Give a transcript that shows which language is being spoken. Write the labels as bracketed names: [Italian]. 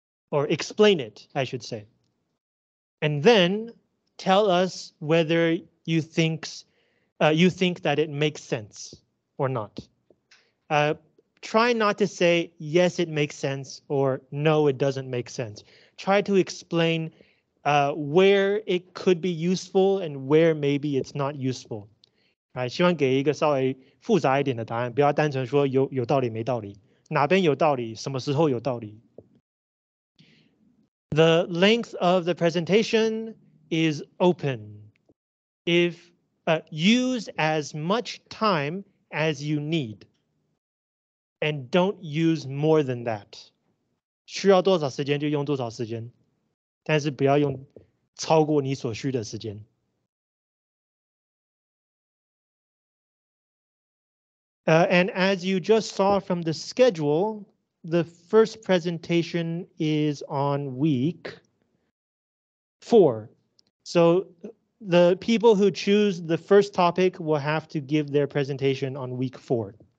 [English] Or explain it, I should say. And then tell us whether you think that it makes sense or not. Try not to say, yes, it makes sense, or no, it doesn't make sense. Try to explain where it could be useful and where maybe it's not useful. Right? [Chinese] 希望给一个稍微复杂一点的答案, 不要单纯说有道理没道理, 哪边有道理, 什么时候有道理? [English] The length of the presentation is open. If use as much time as you need, and don't use more than that. [Chinese] 需要多少时间就用多少时间, 但是不要用超过你所需的时间. [English] And as you just saw from the schedule, the first presentation is on week 4. So the people who choose the first topic will have to give their presentation on week 4.